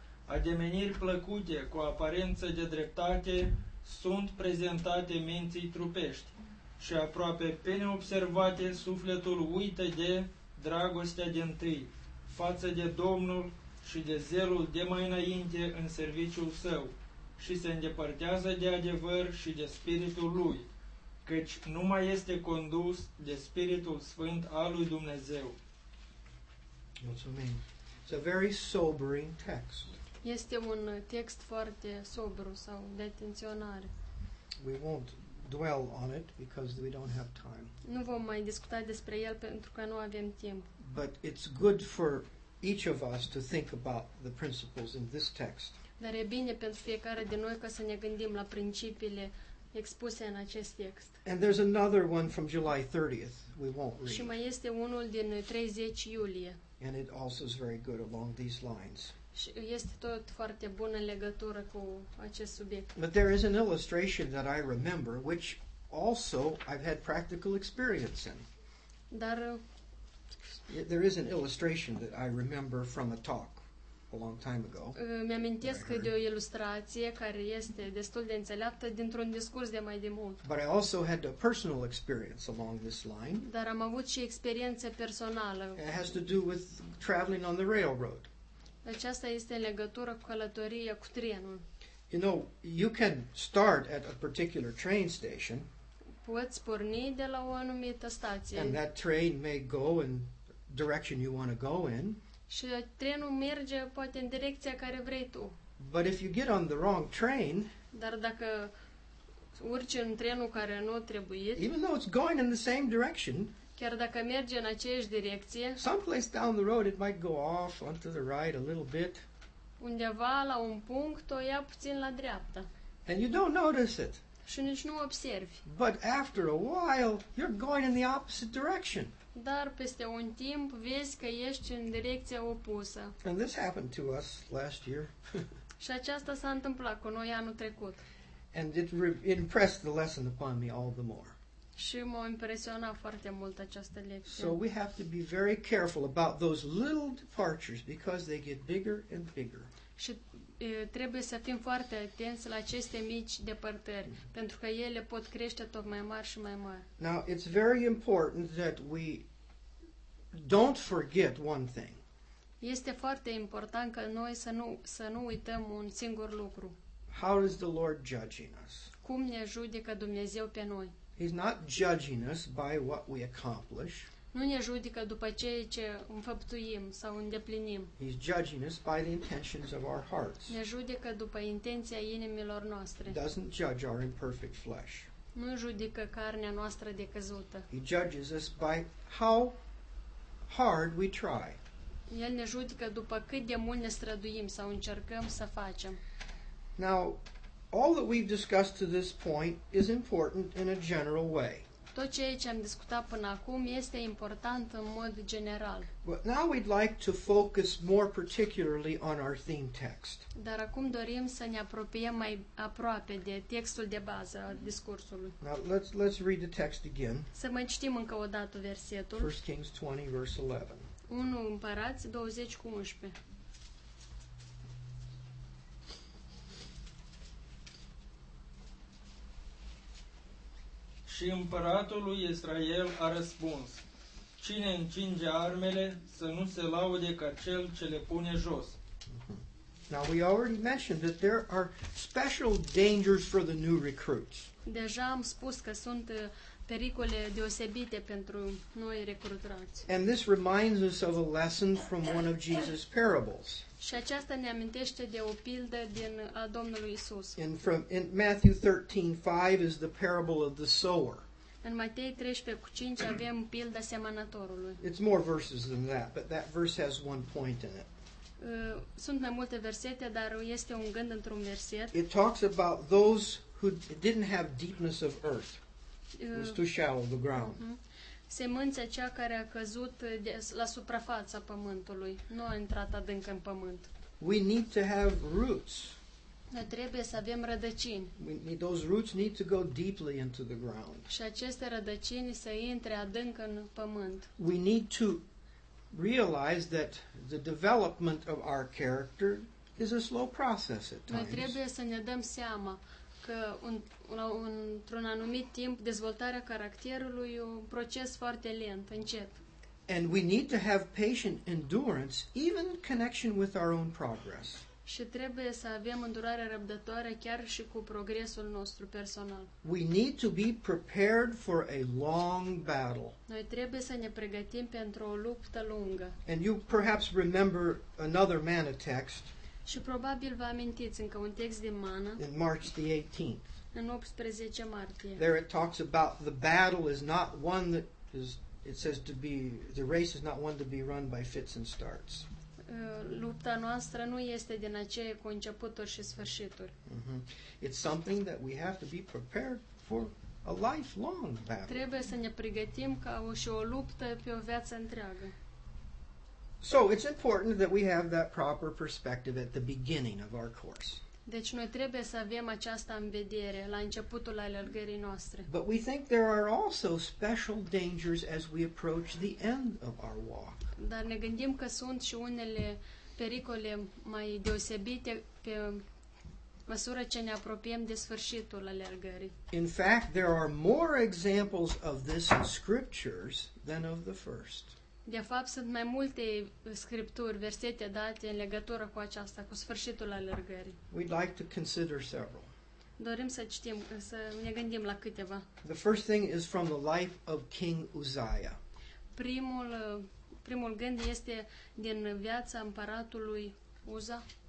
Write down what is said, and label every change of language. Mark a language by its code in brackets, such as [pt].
[ro] Ademeniri plăcute, cu aparență de dreptate, sunt prezentate minții trupești și aproape pe neobservate sufletul uită de dragostea de întâi față de Domnul și de zelul de mai înainte în serviciul său și se îndepărtează de adevăr și de Spiritul lui, căci nu mai este condus de Spiritul Sfânt al lui Dumnezeu. Mulțumim. [en] It's a very sobering text. [ro] Este un text foarte sobru sau de atenționare. [en] We won't dwell on it because we don't have time. [ro] Nu vom mai discuta despre el pentru că nu avem timp. [en] But it's good for each of us to think about the principles in this text. [ro] Dar e bine pentru fiecare de noi ca să ne gândim la principiile expuse în acest text. [en] And there's another one from July 30th. We won't read. [ro] Și mai este unul din 30 iulie. [en] And it also is very good along these lines. [ro] Și este tot foarte bună legătură cu acest subiect. [en] But there is an illustration that I remember, which also I've had practical experience in. [ro] Dar [en] there is an illustration that I remember from a talk a long time ago. [ro] Mi-amintesc de o ilustrație care este destul de înțeleaptă dintr-un discurs de mai de mult. [en] But I also had a personal experience along this line. [ro] Dar am avut și experiență personală. [en] It has to do with traveling on the railroad. [ro] Aceasta este în legătură cu călătoria cu trenul. [en] You know, you can start at a particular train station. [ro] Poți porni de la o anumită stație. [en] And that train may go in the direction you want to go in. [ro] Și trenul merge poate în direcția care vrei tu. [en] But if you get on the wrong train, [ro] dar dacă urci în trenul care nu trebuie, [en] even though it's going in the same direction, [ro] chiar dacă merge în aceeași direcție, [en] someplace down the road it might go off onto the right a little bit. [ro] Undeva la un punct o ia puțin la dreapta. [en] And you don't notice it. [ro] Și nici nu observi. [en] But after a while, you're going in the opposite direction. [ro] Dar peste un timp vezi că ești în direcția opusă. [en] And this happened to us last year. [ro] Și aceasta s-a întâmplat cu noi anul trecut. [en] And it impressed the lesson upon me all the more. [ro] Și m-a impresionat foarte mult această lecție. [en] So we have to be very careful about those little departures because they get bigger and bigger. [ro] Și trebuie să fim foarte atenți la aceste mici depărtări, pentru că ele pot crește tot mai mari și mai mari. [en] Now, it's very important that we don't forget one thing. [ro] Este foarte important ca noi să nu uităm un singur lucru. [en] How is the Lord judging us? [ro] Cum ne judecă Dumnezeu pe noi? [en] He's not judging us by what we accomplish. [ro] Nu ne judecă după ceea ce înfăptuim sau îndeplinim. [en] He's judging us by the intentions of our hearts. [ro] Ne judecă după intenția inimilor noastre. [en] He doesn't judge our imperfect flesh. [ro] Nu judecă carnea noastră decăzută. [en] He judges us by how hard we try. [ro] El ne judecă după cât de mult ne străduim sau încercăm să facem. [en] Now, all that we've discussed to this point is important in a general way. [ro] Tot ceea ce am discutat până acum este important în mod general. [en] But now we'd like to focus more particularly on our theme text. [ro] Dar acum dorim să ne apropiem mai aproape de textul de bază al discursului. [en] Now let's read the text again. [ro] Să mai citim încă o dată versetul. [en] 1 Kings 20 verse 11. [ro] 1 Împărați 20 cu 11. Și împăratul lui Israel a răspuns, cine încinge armele să nu se laude ca cel ce le pune jos. [en] Now we already mentioned that there are special dangers for the new recruits. [ro] Deja am spus că sunt pericole deosebite pentru noi recrutați. [en] And this reminds us of a lesson from one of Jesus' parables. [ro] Și aceasta ne amintește de o pildă din a Domnului Isus. [en] In Matthew 13:5 is the parable of the sower. [ro] În Matei 13:5 avem pilda semănătorului. [en] It's more verses than that, but that verse has one point in it. [ro] Sunt mai multe versete, dar este un gând într-un verset. [en] It talks about those who didn't have deepness of earth. It was too shallow the ground. [ro] Semânța cea care a căzut la suprafața pământului, nu a intrat adânc în pământ. [en] We need to have roots. [ro] Trebuie să avem rădăcini. [en] Those roots need to go deeply into the ground. [ro] Și aceste rădăcini să intre adânc în pământ. [en] We need to realize that the development of our character is a slow process at times. [ro] Noi trebuie să ne dăm seama că într-un anumit timp dezvoltarea caracterului e un proces foarte lent, încet. [en] And we need to have patient endurance even in connection with our own progress. [ro] Și trebuie să avem îndurare răbdătoare chiar și cu progresul nostru personal. [en] We need to be prepared for a long battle. [ro] Noi trebuie să ne pregătim pentru o luptă lungă. [en] And you perhaps remember another manna text. [ro] Și probabil vă amintiți încă un text din Mana. [en] In March the 18th. [ro] În 18 martie. [en] There it talks about the battle is not one that is, it says to be, the race is not one to be run by fits and starts. [ro] Lupta noastră nu este din aceea cu începuturi și sfârșituri. [en] It's something that we have to be prepared for. A lifelong battle. [ro] Trebuie să ne pregătim ca o și o luptă pe o viață întreagă. [en] So it's important that we have that proper perspective at the beginning of our course. [ro] Deci noi trebuie să avem aceasta în vedere la începutul alergării noastre. [en] But we think there are also special dangers as we approach the end of our walk. [ro] Dar ne gândim că sunt și unele pericole mai deosebite pe măsură ce ne apropiem de sfârșitul alergării. [en] In fact, there are more examples of this in scriptures than of the first. [ro] De fapt, sunt mai multe scripturi, versete date în legătură cu aceasta, cu sfârșitul alergării. [en] We'd like to consider several. [ro] Dorim să citim, să ne gândim la câteva. [en] The first thing is from the life of King Uzziah. [ro] Primul gând este din viața împăratului Uza.